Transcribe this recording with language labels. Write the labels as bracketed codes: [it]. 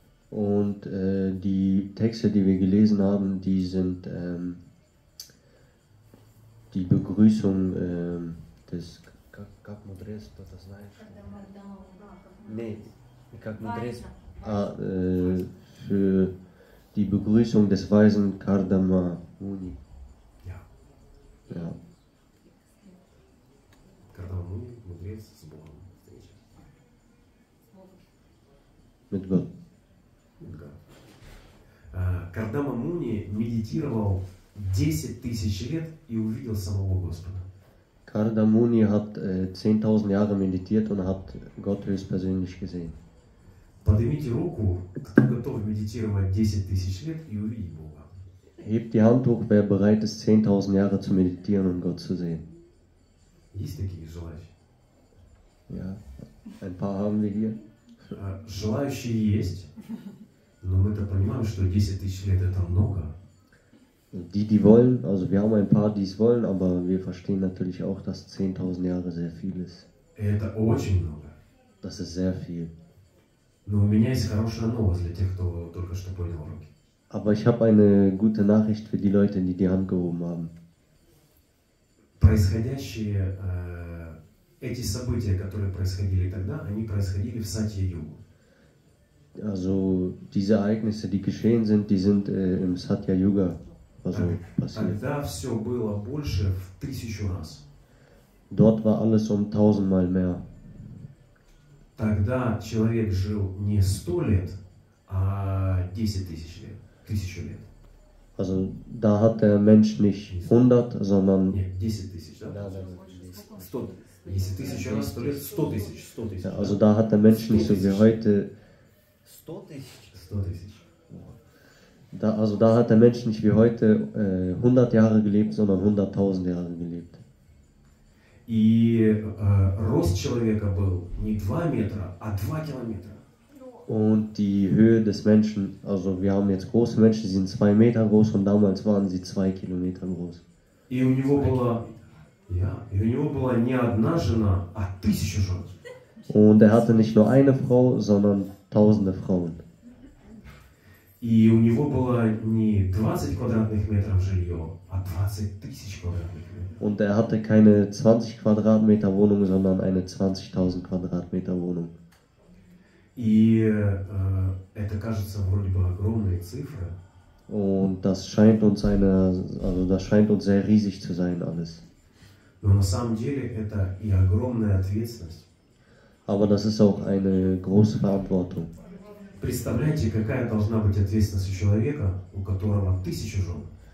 [de] Und die Texte, die wir gelesen haben, die sind die Begrüßung [ru] есть как мудрец, кто-то знает, что... Нет, как мудрец... [de] Für die Begrüßung des Weisen Kardama Muni. Ja. Ja. [ru] Kardama Muni, мудрец с Богом. [de] Mit Gott. [ru] Кардама Муни медитировал 10 тысяч лет и увидел самого Господа. [de] Kardama Muni hat 10.000 Jahre meditiert und hat Gott höchstpersönlich gesehen. [ru] Поднимите руку, кто готов медитировать 10 тысяч лет и увидеть Бога. [de] Hebt die Hand hoch, wer bereit ist, 10.000 Jahre zu meditieren und Gott zu sehen. [ru] Есть такие желающие? [de] Ja, ein paar haben wir hier. [ru] Желающие есть, но мы-то понимаем, что 10 тысяч лет – это много. [de] Die wollen, also wir haben ein paar, die es wollen, aber wir verstehen natürlich auch, dass 10.000 Jahre sehr viel ist. [ru] Это очень много. [de] Das ist sehr viel. [ru] Но у меня есть хорошая новость для тех, кто только что понял руки. [de] Aber ich habe eine gute Nachricht für die Leute, die Hand gehoben haben. [ru] Происходящие, эти события, которые происходили тогда, они происходили в Сатья-йогу. [de] Also diese Ereignisse, die geschehen sind, die sind im Satya-Yuga. Also, [ru] тогда все было больше в 1000 раз. [de] Dort war alles um 1000 mal mehr. [ru] Тогда человек жил не 100 лет, а 10 тысяч лет, 1000 лет. [de] Also, da hat der Mensch nicht 100, sondern... [ru] Нет, 10 тысяч, да? Да, 100. 10 тысяч раз, 100 лет, 100 тысяч, 100 тысяч. [de] Yeah, also, da hat der Mensch nicht so wie heute... [ru] 100 тысяч? 100 тысяч. [de] Da, also da hat der Mensch nicht wie heute 100 Jahre gelebt, sondern 100.000 Jahre gelebt. [ru] И рост человека был не 2 метра, а 2 километра. [de] Und die Höhe des Menschen, also wir haben jetzt große Menschen, die sind 2 Meter groß und damals waren sie 2 Kilometer groß. [ru] И у него была, ja, и у него была не одна жена, а 1000 жен. [de] Und er hatte nicht nur eine Frau, sondern tausende Frauen. [ru] И у него было не 20 квадратных метров жилье, а 20 тысяч квадратных метров. [de] Und er hatte keine 20 Quadratmeter Wohnung, sondern eine 20.000 Quadratmeter Wohnung. [ru] И это кажется вроде бы огромной цифрой. [de] Und das scheint uns eine, also das scheint uns sehr riesig zu sein alles. [ru] Но на самом деле это и огромная ответственность. [de] Aber das ist auch eine große Verantwortung. [ru] Представляете, какая должна быть ответственность у человека, у которого 1000 жен?